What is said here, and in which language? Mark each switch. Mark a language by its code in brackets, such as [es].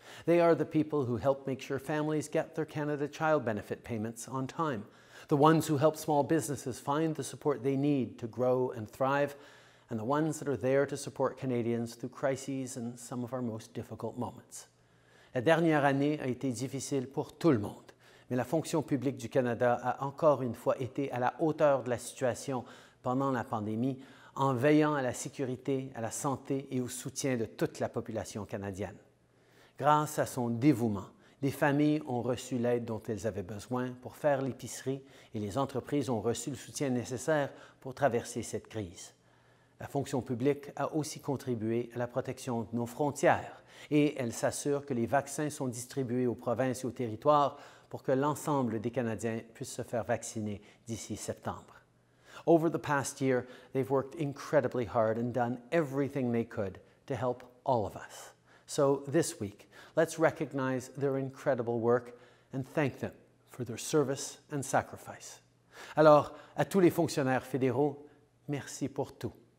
[en] They are the people who help make sure families get their Canada Child Benefit payments on time, the ones who help small businesses find the support they need to grow and thrive, and the ones that are there to support Canadians through crises and some of our most difficult moments. [fr] La dernière année a été difficile pour tout le monde, mais la fonction publique du Canada a encore une fois été à la hauteur de la situation pendant la pandémie, en veillant à la sécurité, à la santé et au soutien de toute la population canadienne. Grâce à son dévouement, les familles ont reçu l'aide dont elles avaient besoin pour faire l'épicerie et les entreprises ont reçu le soutien nécessaire pour traverser cette crise. La fonction publique a aussi contribué à la protection de nos frontières et elle s'assure que les vaccins sont distribués aux provinces et aux territoires pour que l'ensemble des Canadiens puissent se faire vacciner d'ici septembre. [en] Over the past year, they've worked incredibly hard and done everything they could to help all of us. So this week, let's recognize their incredible work and thank them for their service and sacrifice. [fr] Alors, à tous les fonctionnaires fédéraux, merci pour tout.